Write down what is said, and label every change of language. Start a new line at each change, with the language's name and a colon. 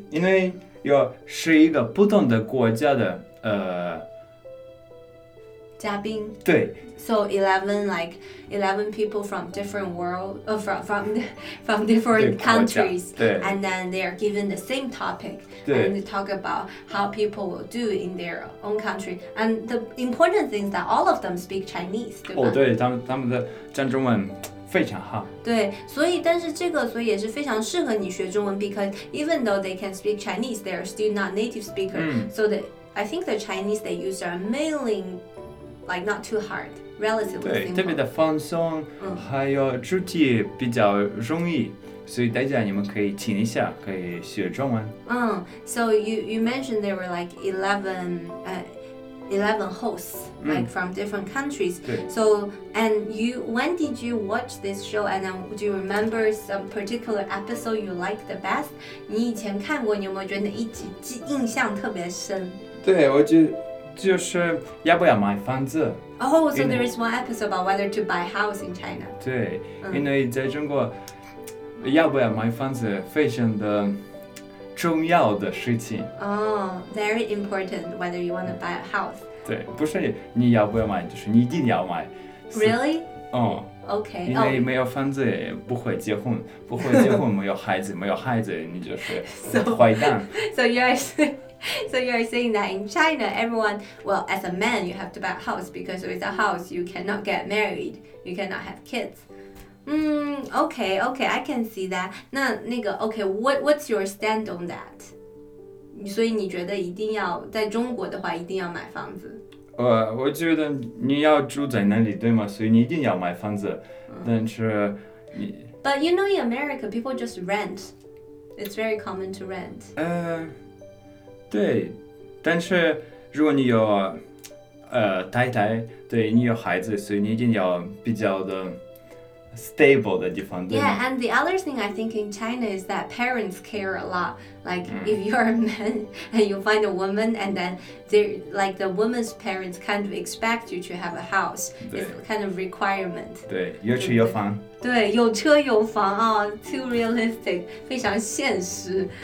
Chinese: 因为有是一个不同的国家的嘉宾对
English: So 11 people from different world、from different countries
Chinese: 对
English: And then they are given the same topic
Chinese: 对
English: And they talk about how people will do in their own country And the important thing is that all of them speak Chinese
Chinese: 对吧、哦、对他们的讲中文非常好对所以但是这个所以也是非常适合你学中文
English: Because even though they can speak Chinese They are still not native speaker、So I think the Chinese they use are mainlylike not too hard, relatively simple.
Chinese: 对，特别的放松，还有主题比较容易，所以大家你们可以听一下，可以学中文。
English: So you mentioned there were like 11 hosts, like from different countries.
Chinese: 对。
English: So, and when did you watch this show, and then do you remember some particular episode you liked the best?
Chinese: 你以前看过，你有没有觉得一集印象特别深？对，我觉得就是要不要买房子
English: Oh, so there is one episode about whether to buy a house in China
Chinese: 对、因为在中国要不要买房子非常的重要的事情
English: Oh, very important whether you want to buy a house
Chinese: 对不是你要不要买就是你一定要买
English: Really?
Chinese: Okay, 因为没有房子也不会结婚、不会结婚没有孩子没有孩子你就是坏蛋
English: So you are saying that in China, everyone, well, as a man, you have to buy a house because with a house, you cannot get married, you cannot have kids. Okay, I can see that. 那个 okay, what's your stand on that?
Chinese: 所以你觉得一定要在中国的话，一定要买房子。我觉得你要住在那里，对吗？所以你一定要买房子。但是你
English: But you know, in America, people just rent. It's very common to rent.
Chinese: 对，但是如果你有太太，对你有孩子，所以你一定要比较的， stable 的地方。
English: Yeah, and the other thing I think in China is that parents care a lot. Like,if you are a man and you find a woman, and then like, the woman's parents kind of expect you to have a house. It's kind of requirement.
Chinese: 对，有车有房。对，有车有房啊、哦、
English: too realistic,
Chinese: 非常现实。